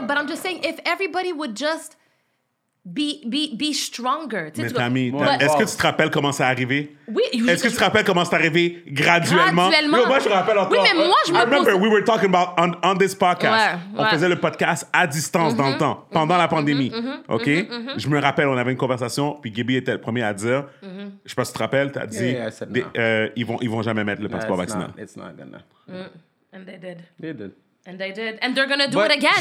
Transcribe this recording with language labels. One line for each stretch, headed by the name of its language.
English: Ouais, but I'm just saying, if everybody would just Be stronger.
French: Mais Tammy, est-ce que tu te rappelles comment c'est arrivé? Oui. Est-ce que tu te rappelles comment c'est arrivé graduellement? Graduellement. Moi, je me rappelle encore. Oui, mais moi, je me pose...
English: I remember, we were talking about on this podcast.
French: Ouais, ouais. On faisait le podcast à distance mm-hmm. dans le temps, pendant mm-hmm. la pandémie. Mm-hmm. OK? Mm-hmm. Je me rappelle, on avait une conversation, puis Gibby était le premier à dire, mm-hmm. je sais pas si tu te rappelles, tu as dit, ils vont jamais mettre le passeport vaccinal.
English: It's not gonna. And they did. They did. And they did. And they're going to do it again.